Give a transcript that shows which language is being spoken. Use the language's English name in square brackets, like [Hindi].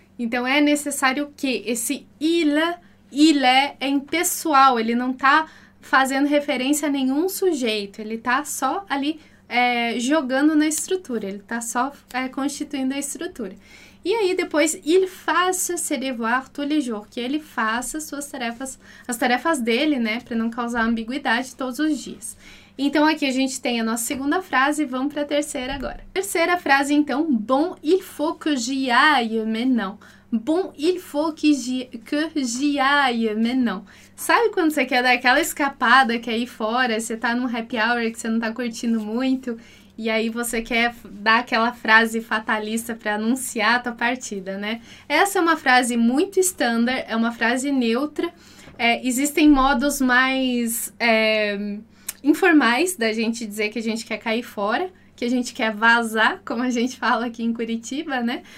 [Portuguese] Então é necessário que. Esse il est impessoal, ele não está fazendo referência a nenhum sujeito, ele está só ali jogando na estrutura, ele está só constituindo a estrutura. E aí depois, [French] il fasse ses devoirs tous les jours, [Portuguese] que ele faça suas tarefas, as tarefas dele, né, para não causar ambiguidade todos os dias. Então aqui a gente tem a nossa segunda frase, vamos para a terceira agora. Terceira frase então, [French] bon, il faut que j'y aille, mais non. Bon, il faut que j'y aille, mais non. [Portuguese] Sabe quando você quer dar aquela escapada, quer ir fora, você tá num happy hour que você não tá curtindo muito, e aí você quer dar aquela frase fatalista para anunciar a tua partida, né? Essa é uma frase muito standard, é uma frase neutra. Existem modos mais informais da gente dizer que a gente quer cair fora, que a gente quer vazar, como a gente fala aqui em Curitiba, né?